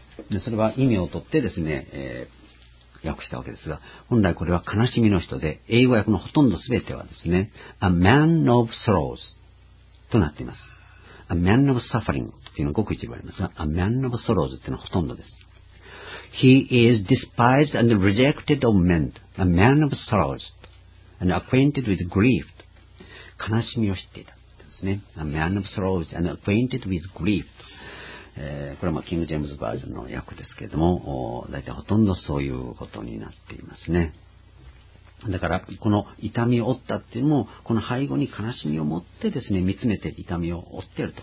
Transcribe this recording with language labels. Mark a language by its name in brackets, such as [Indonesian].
[Japanese] でそれは意味を取ってですね、訳したわけですが、本来これは悲しみの人で、英語訳のほとんど全てはですね、 [English] A man of sorrows [Japanese] となっています。 [English] A man of suffering [Japanese] というのがごく一部ありますが、 [English] A man of sorrows [Japanese] というのはほとんどです。 [English] He is despised and rejected of men, a man of sorrows, and acquainted with grief. [Japanese] 悲しみを知っていた。ですね。 [English] A man of sorrows and acquainted with grief.、 [Japanese] これはキング・ジェームズ・バージョンの訳ですけれども、大体ほとんどそういうことになっていますね。だから、この痛みを負ったっていうのも、この背後に悲しみを持ってですね、見つめて痛みを負っていると。